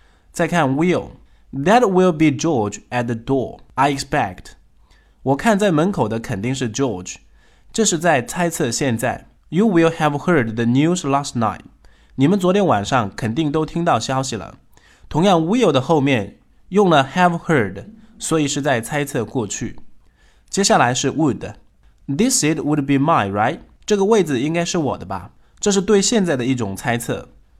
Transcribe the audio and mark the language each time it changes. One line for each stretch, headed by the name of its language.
Chinese: 再看
English: will， That will be George at the door, I expect.
Chinese: 我看在门口的肯定是 George， 这是在猜测现在。
English: You will have heard the news last night.
Chinese: 你们昨天晚上肯定都听到消息了。同样 will 的后面用了 have heard， 所以是在猜测过去。接下来是
English: would， This seat would be mine, right？
Chinese: 这个位子应该是我的吧，这是对现在的一种猜测。